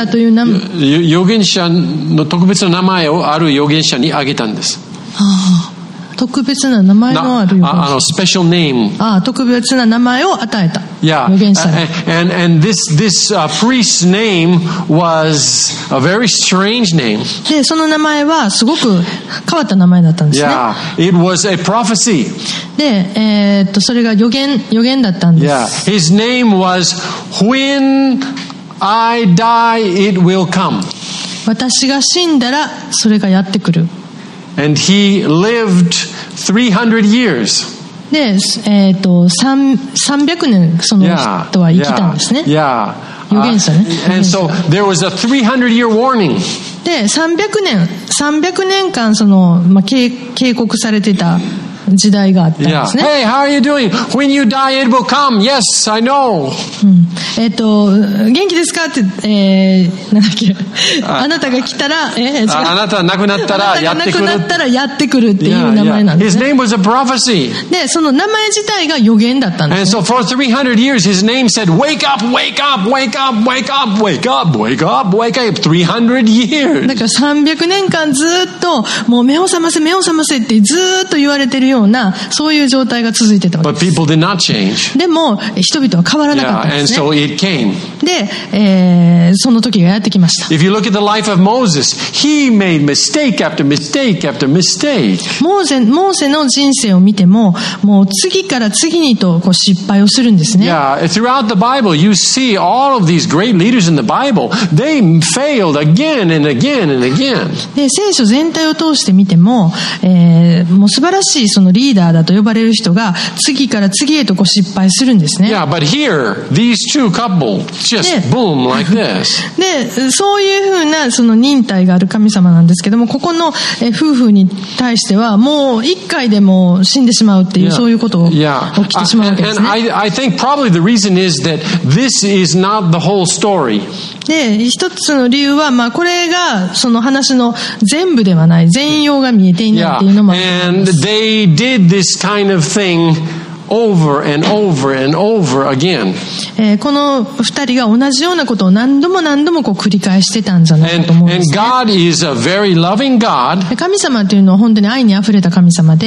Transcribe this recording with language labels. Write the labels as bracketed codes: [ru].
[ja] 預言者の特別な名前をある預言者にあげたんです。特別な名前のある預言者。 [en] Special name. [ja] 特別な名前を与えた。 [en] Yeah. [ja] 預言者。 [en] And this priest's name was a very strange name. [ja] で、その名前はすごく変わった名前だったんですね。 [en] Yeah. It was a prophecy. [ja] で、それが預言だったんです。 [en] Yeah. His name was When I die, it will come. [ja] 私が死んだらそれがやってくる。 [en] And he lived 300 years. [ja] で、300年その人は生きたんですね。預言者ね。 [en] And so there was a 300 year warning. [ja] で、300年間その、まあ、警告されてた時代があったんですね。 [en] Hey, how are you doing? When you die, it will come. Yes, I know. [ja] 元気ですかって、なんだっけ。あなたが来たら、あなたが亡くなったらやってくる。亡くなったらやってくるっていう名前なんですね。 [en] His name was a prophecy. [ja] で、その名前自体が予言だったんです、ね。 [en] And so for 300 years, his name said, wake up, wake up, wake up, wake up, wake up, wake up, wake up, 300 years. [ja] だから300年間ずっと、もう目を覚ませ、目を覚ませってずっと言われてるようなそういう状態が続いてたわけです。でも人々は変わらなかったんですね。 [en] yeah, and so it came. [ja] で、その時がやってきました。 [en] If you look at the life of Moses, he made mistake after mistake after mistake. [ja] モーセの人生を見てももう次から次にとこう失敗をするんですね。 [en] yeah, throughout the Bible you see all of these great leaders in the Bible, they failed again and again and again. [ja] で、聖書全体を通して見ても、もう素晴らしいそのリーダーだと呼ばれる人が次から次へとこう失敗するんですね。 [en] yeah, but here, these two couple just boom like this. [ja] で、そういうふうなその忍耐がある神様なんですけども、ここの夫婦に対してはもう一回でも死んでしまうっていう、そういうことを起きてしまうわけですね。 [en] I think probably the reason is that this is not the whole story. [ja] で、一つの理由は、まあ、これがその話の全部ではない、全容が見えていないっていうのもあります。 [en] yeah, and they did this kind of thing over and over and over again. [ja] この二人が同じようなことを何度も何度もこう繰り返してたんじゃないかと思うんですね。 [en] And God is a very loving God. [ja] 神様というのは本当に愛にあふれた神様で、